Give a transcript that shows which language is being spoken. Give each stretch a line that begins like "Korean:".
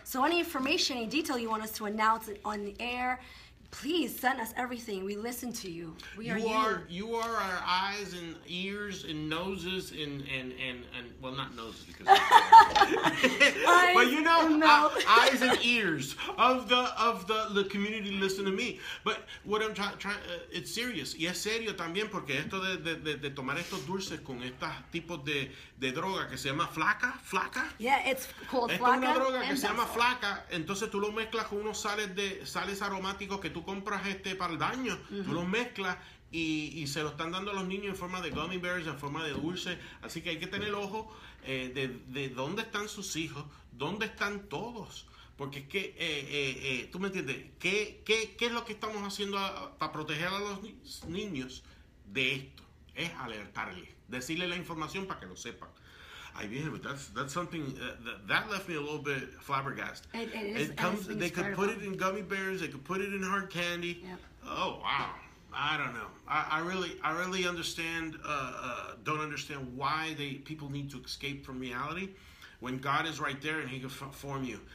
English: So, any information, any detail you want us to announce it on the air, please send us everything. We listen to you. You are our eyes and ears and noses and well, not noses because. But you know, eyes and ears of the community listen to me. But what I'm trying, it's serious.
Spanish: Y es serio también porque esto de tomar estos dulces con estos tipos de droga que se llama flaca.
English: Yeah, it's called
Spanish: flaca. Es una droga que se llama flaca. Entonces tú lo mezclas con unos sales aromáticos que tú compras para el baño. Mm-hmm. Tú los mezclas. Y se lo están dando a los niños en forma de gummy bears, en forma de dulce. Así que hay que tener ojo de dónde están sus hijos, dónde están todos. Porque es que, tú me entiendes, ¿qué es lo que estamos haciendo para proteger a los niños de esto? Es alertarles, decirle la información para que lo sepan. Ay, bien,
English: but that's something that left me a little bit flabbergasted. They could put it in gummy bears, they could put it in hard candy. Yep. Oh, wow. I don't know. I really understand. Don't understand why people need to escape from reality, when God is right there and He can form you.